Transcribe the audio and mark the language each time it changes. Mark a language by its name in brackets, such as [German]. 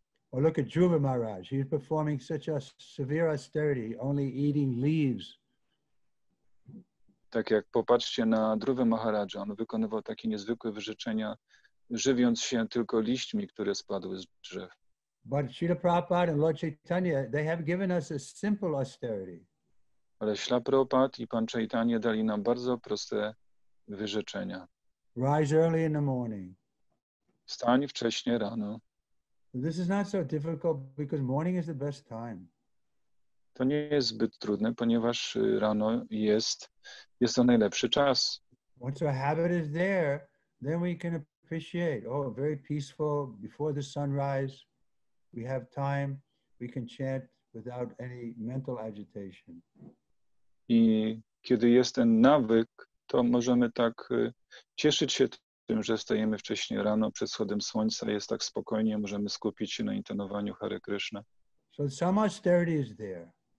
[English] Or look at Dhruva Maharaj. He's performing such a severe austerity, only eating leaves. [Polish] Tak jak popatrzcie na Dhruva Maharaja, on wykonywał takie niezwykłe wyrzeczenia, żywiąc się tylko liśćmi, które spadły z drzew. [English] But Śrīla Prabhupāda and Lord Chaitanya, they have given us a simple austerity. [Polish] Ale Śrīla Prabhupāda i Pan Chaitanya dali nam bardzo proste wyrzeczenia. [English] Rise early in the morning. [Polish] Wstań wcześnie rano. [English] This is not so difficult because morning is the best time. [Polish] To nie jest zbyt trudne, ponieważ rano jest to najlepszy czas. [English] Once our habit is there, then we can appreciate. Oh, very peaceful before the sunrise. We have time. We can chant without any mental agitation. [Polish] I kiedy jest ten nawyk, to możemy tak cieszyć się tym, że stajemy wcześniej rano przed wschodem słońca, jest tak spokojnie, możemy skupić się na intonowaniu Hare Krishna. [English] So some austerity is there.